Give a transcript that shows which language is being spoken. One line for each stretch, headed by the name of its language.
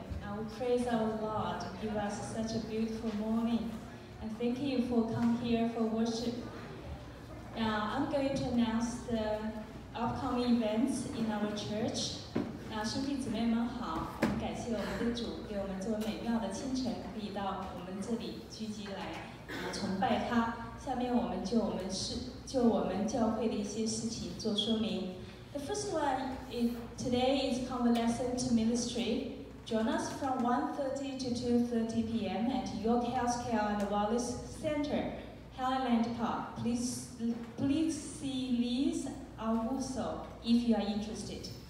English: And we praise our Lord to give us such a beautiful morning. And thank you for coming here for worship. I'm going to announce the upcoming events in our church.
Chinese: 兄弟姊妹们好, 感谢我们的主给我们这么美妙的清晨可以到我们这里聚集来崇拜他。下面我们就我们教会的一些事情做说明。
English: The first one is today is convalescent ministry. Join us from 1:30 to 2:30 p.m. at York Healthcare and Wallace Center, Highland Park. Please see Liz Awuso if you are interested.